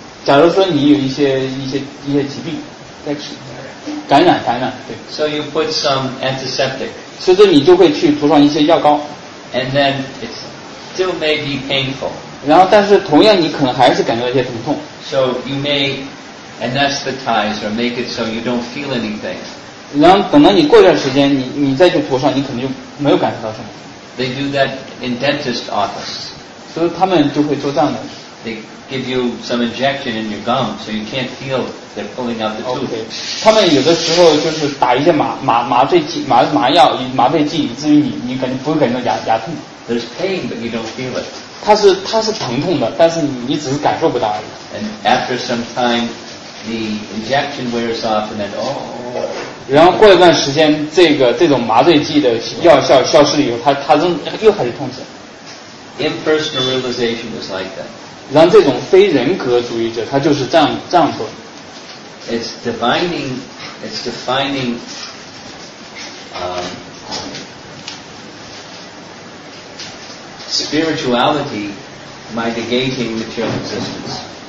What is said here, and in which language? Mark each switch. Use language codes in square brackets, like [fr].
[zh] 假如说你有一些疾病，感染，对。 [en] So you put some antiseptic. [zh] 所以说你就会去涂上一些药膏。 [en] And then it still may be painful. [zh] 然后但是同样你可能还是感觉到一些疼痛。 [en] So you may anesthetize or make it so you don't feel anything. [zh] 然后等到你过一段时间，你再去涂上，你可能就没有感受到什么。 [en] They do that in dentist office. [zh] 所以他们就会做这样的。 [en] They give you some injection in your gum, so you can't feel they're pulling out the tooth. Okay. [zh] 他们有的时候就是打一些麻醉剂，以至于你感觉不会感觉到牙痛。 [en] There's pain, but you don't feel it. [zh] 它是疼痛的，但是你只是感受不到而已。 [en] And after some time, the injection wears off, and then oh. [zh] 然后过一段时间，这种麻醉剂的药效消失了以后，它又开始痛起来。 [en] Impersonal realization is like that. [zh] 然后这种非人格主义者，他就是这样做。 [en] It's defining, spirituality by negating material existence.